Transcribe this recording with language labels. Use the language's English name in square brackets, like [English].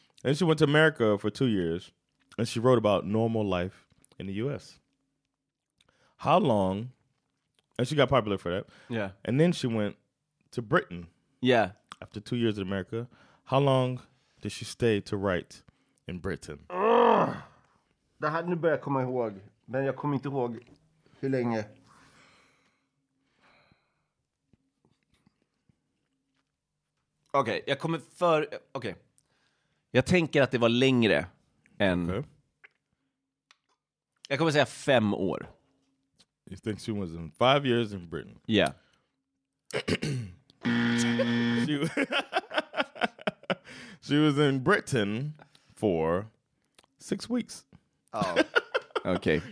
[English] And she went to America for 2 years and she wrote about normal life in the US. How long And she got popular for that. Yeah. And then she went to Britain. Yeah. After 2 years in America. How long did she stay to write in Britain? [Swedish] Det här, nu börjar jag komma ihåg. Men jag kommer inte ihåg hur länge. Okej, okay, jag kommer för... Okej. Okay. Jag tänker att det var längre än... [English] Okay. [Swedish] Jag kommer säga 5 år. [English] You think she was in 5 years in Britain? Yeah. she was in Britain for 6 weeks. Oh, okay.